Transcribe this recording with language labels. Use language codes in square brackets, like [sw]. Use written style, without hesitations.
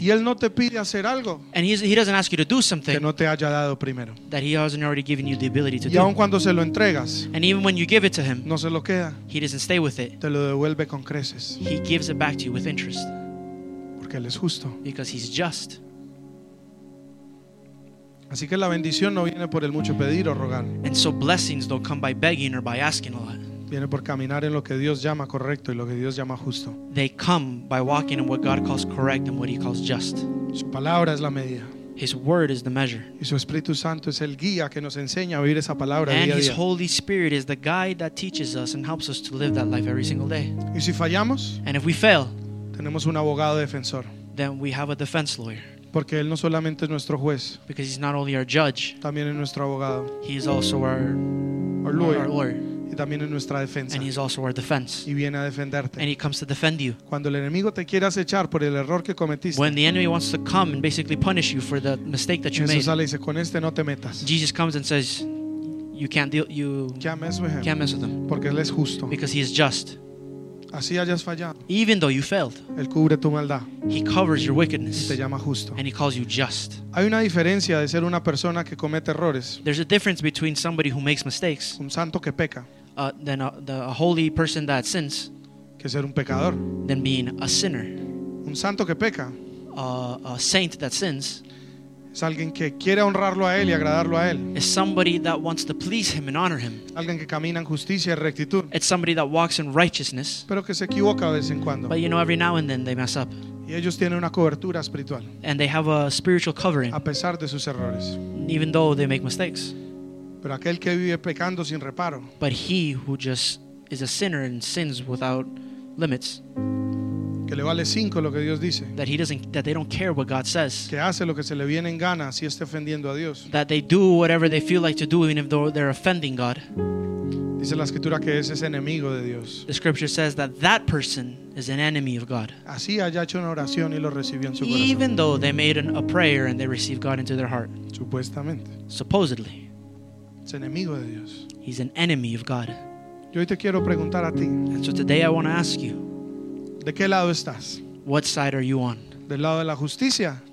[es] Y él no te pide hacer algo. [en] And he doesn't ask you to do something [es] que no te haya dado primero. [en] That he hasn't already given you the ability to y do. [es] Y aun cuando se lo entregas, [en] and even when you give it to him, [es] no se lo queda. [en] He doesn't stay with it. [es] Te lo devuelve con creces. [en] He gives it back to you with interest. [es] Porque él es justo. [en] Because he's just. [es] Así que la bendición no viene por el mucho pedir o rogar. [en] And so blessings don't come by begging or by asking a lot. [es] Viene por caminar en lo que Dios llama correcto y lo que Dios llama justo. [en] They come by walking in what God calls correct and what he calls just. [es] Su palabra es la medida. [en] His word is the measure. [es] Y su Espíritu Santo es el guía que nos enseña a vivir esa palabra día a día. [en] And his Holy Spirit is the guide that teaches us and helps us to live that life every single day. [es] Y si fallamos, [en] and if we fail, [es] tenemos un abogado defensor. [en] Then we have a defense lawyer. [es] Porque él no solamente es nuestro juez. [en] Because he's not only our judge. [es] También es nuestro abogado. [en] He is also our lawyer. Our lawyer. [es] También en nuestra defensa. [en] And he's also our defense. [es] Y viene a defenderte. [en] And he comes to defend you. [es] Cuando el enemigo te quiere acechar por el error que cometiste. [en] When the enemy wants to come and basically punish you for the mistake that you Jesús made. [es] Jesús sale y dice, con este no te metas. [en] Jesus comes and says, you can't deal, you can't mess with him. Can't mess with him. [es] Porque él es justo. [en] Because he is just. [es] Así hayas fallado. [en] Even though you failed. [es] Él cubre tu maldad. [en] He covers your wickedness. [es] Y te llama justo. [en] And he calls you just. [es] Hay una diferencia de ser una persona que comete errores. [en] There's a difference between somebody who makes mistakes. [es] Un santo que peca. [en] Than a holy person that sins, [es] que ser un pecador, [en] than being a sinner. [es] Un santo que peca, [en] a saint that sins, [es] es alguien que quiere honrarlo a él y agradarlo a él. [en] Is somebody that wants to please him and honor him. [es] Alguien que camina en justicia y rectitud. [en] It's somebody that walks in righteousness. [es] Pero que se equivoca de vez en cuando. [en] But you know, every now and then they mess up. [es] Y ellos tienen una cobertura espiritual. [en] And they have a spiritual covering. [es] A pesar de sus errores. [en] Even though they make mistakes. [es] Pero aquel que vive pecando sin reparo. [en] But he who just is a sinner and sins without limits. [es] Que le vale cinco lo que Dios dice. [en] That he doesn't, that they don't care what God says. [es] Que hace lo que se le viene en gana si está ofendiendo a Dios. [en] That they do whatever they feel like to do even if they're offending God. [es] Dice la escritura que ese es enemigo de Dios. [en] The scripture says that that person is an enemy of God. [es] Así haya hecho una oración y lo recibió en su corazón. [en] Even though they made a prayer and they received God into their heart. [es] Supuestamente. [en] Supposedly. [es] Es enemigo de Dios. [en] He's an enemy of God. [es] Yo hoy te quiero preguntar a ti. [en] And so today I want to ask you. [es] ¿De qué lado estás? [en] What side are you on? [es] ¿Del lado de la justicia?